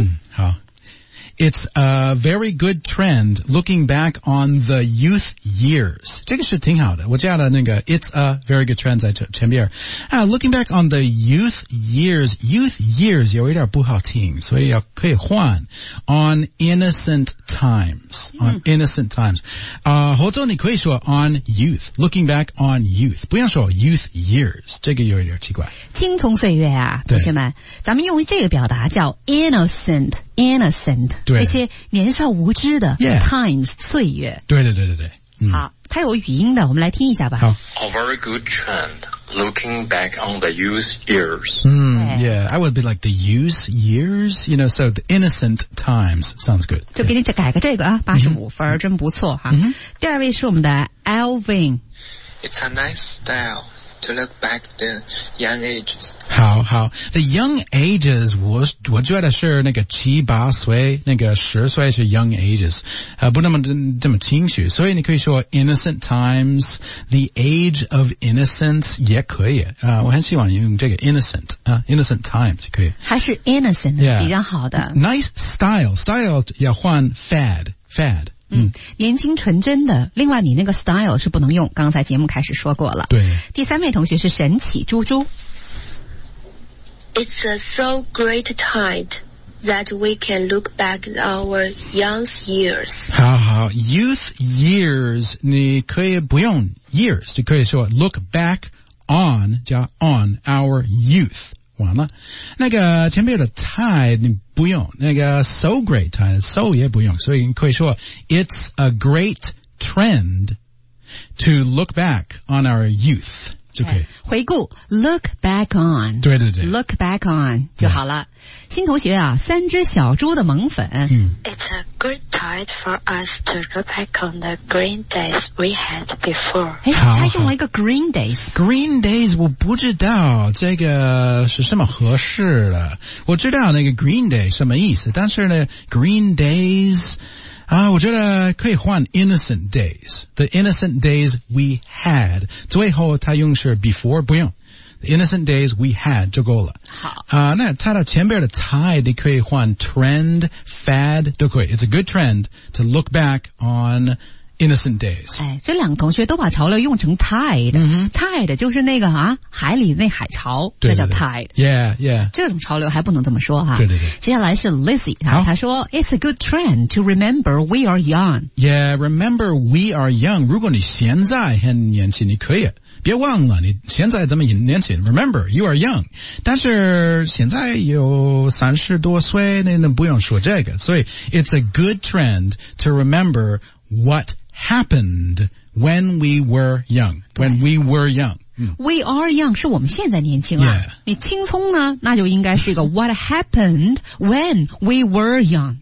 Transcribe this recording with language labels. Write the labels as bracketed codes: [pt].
[en] 嗯、好 It's a very good trend looking back on the youth years [zh] 这个是挺好的我加了那个 [en] It's a very good trend 在前边、啊、Looking back on the youth years [zh] 有一点不好听所以要可以换 [en] On innocent times On innocent times、或者你可以说 on youth Looking back on youth 不要说 youth years [zh] 这个有一点奇怪青葱岁月啊同学们咱们用这个表达叫 innocent 对那些年少无知的 times 岁月对、嗯、好它有语音的我们来听一下吧好 [en] A very good trend looking back on the youth years、 mm, yeah I would be like the youth years you know so the innocent times sounds good [zh] 就给你改个这个啊85分、mm-hmm. 真不错哈、 mm-hmm. 第二位是我们的 Alvin [en] It's a nice styleTo look back the young ages. [zh] 好 [en] The young ages, [zh] 我觉得是那个七八岁那个十岁是 young ages,、不那么这么清楚。所以你可以说 [en] innocent times, the age of innocence, [zh] 也可以。我很喜欢用这个 innocent,、innocent times, 可以。还是 innocent,、 [en] yeah. [zh] 比较好的。 [en] Nice style 要换 fad. [zh] 嗯，年轻纯真的。另外，你那个 style 是不能用。刚才节目开始说过了。对。第三位同学是神奇猪猪。 [en] It's a so great time that we can look back our young years. [zh] 好 ，youth years， 你可以不用 years， 就可以说 look back on 加 on our youth。完了，那个前面的 tide 你不用，那个 so great tide so 也不用，所以你可以说 [en] it's a great trend to look back on our youth [zh] 就可以 [en] 回顾 look back on [zh] 对 [en] look back on 就好了。 [zh] 新同学啊，三只小猪的萌粉、嗯、 [en] ，It's a good tide for us to look back on the green days we had before。 [zh] 哎，他用了一个 green days。 Green days 我不知道这个是什么合适的，我知道那个 green day 什么意思，但是呢 ，green days。 [en] 啊， [zh] 我觉得可以换 [en] innocent days, the innocent days we had. [zh] 最后他用是 before, 不用。 [en] The innocent days we had [zh] 就够了。好。那他的前边的 tide 你可以换 trend, fad, 都可以。 [en] It's a good trend to look back on innocent days. [zh] 哎，这两个同学都把潮流用成 tide.、 Mm-hmm. Tide 就是那个啊海里那海潮对那叫 tide. [en] Yeah, yeah. [zh] 这种潮流还不能这么说哈。对。接下来是 [en] Lizzie, 他说 It's a good trend to remember we are young. Yeah, remember we are young. [zh] 如果你现在很年轻你可以。别忘了你现在这么年轻 [en] remember, you are young. [zh] 但是现在有30多岁那你不用说这个。 [en] 所以 It's a good trend to remember whathappened when we were young, when we were young.、 [zh] Mm. We are young, 是我们现在年轻啊。 [en] Yeah. [zh] 你青葱呢那就应该是一个 [en] what happened when we were young.